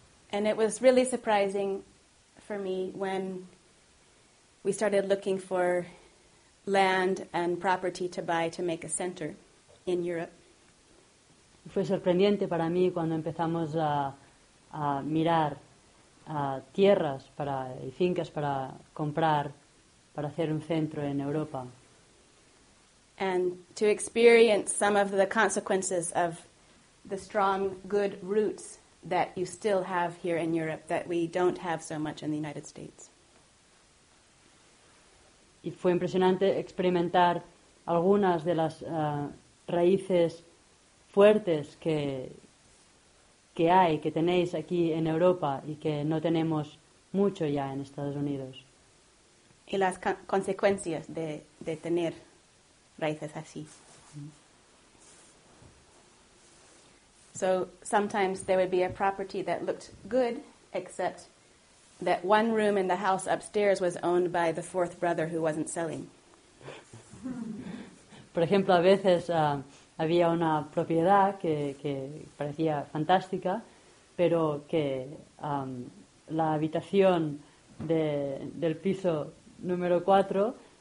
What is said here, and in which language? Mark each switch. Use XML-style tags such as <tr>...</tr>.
<en>And it was really surprising for me when we started looking for land and property to buy to make a center in Europe.</en> <es>Fue sorprendente para mí cuando empezamos a mirar tierras para y fincas para comprar para hacer un centro en Europa.</es> <en>And to experience some of the consequences of the strong, good roots that you still have here in Europe that we don't have so much in the United States.</en> <es>Y fue impresionante experimentar algunas de las raíces fuertes que hay, que tenéis aquí en Europa y que no tenemos mucho ya en Estados Unidos. Y las consecuencias de tener raíces así.</es> <en>So sometimes there would be a property that looked good, except that one room in the house upstairs was owned by the fourth brother who wasn't selling.</en> <es>Por ejemplo, a veces había una propiedad que parecía fantástica, pero que la habitación del piso número 4...</es>